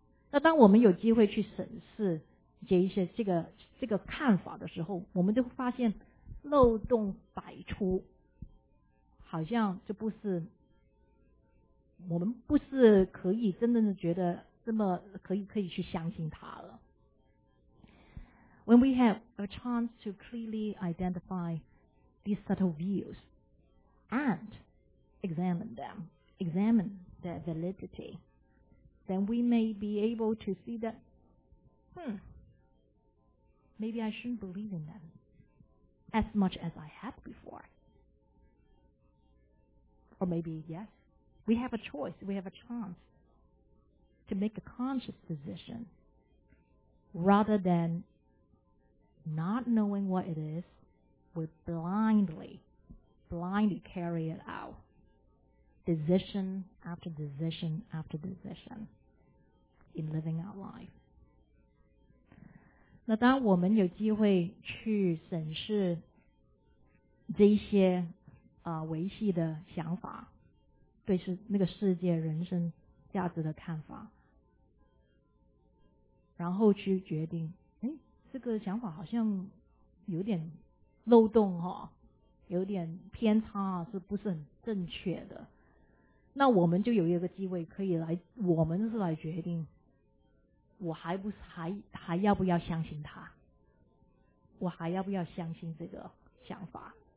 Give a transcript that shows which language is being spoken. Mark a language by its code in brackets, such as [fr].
[zh] 那当我们有机会去审视这一些这个看法的时候，我们就发现漏洞百出。好像这不是我们不是可以真正的觉得这么可以去相信他了。 [en] When we have a chance to clearly identify these subtle views and examine their validity, then we may be able to see that maybe I shouldn't believe in them as much as I had beforeOr maybe, yes, we have a choice, we have a chance to make a conscious decision rather than not knowing what it is, we blindly carry it out, decision after decision after decision in living our life. [zh] 那当我们有机会去审视这些维系的想法，对那个世界人生价值的看法，然后去决定这个想法好像有点漏洞，有点偏差，是不是很正确的，那我们就有一个机会可以来，我们是来决定我还要不要相信他，我还要不要相信这个想法。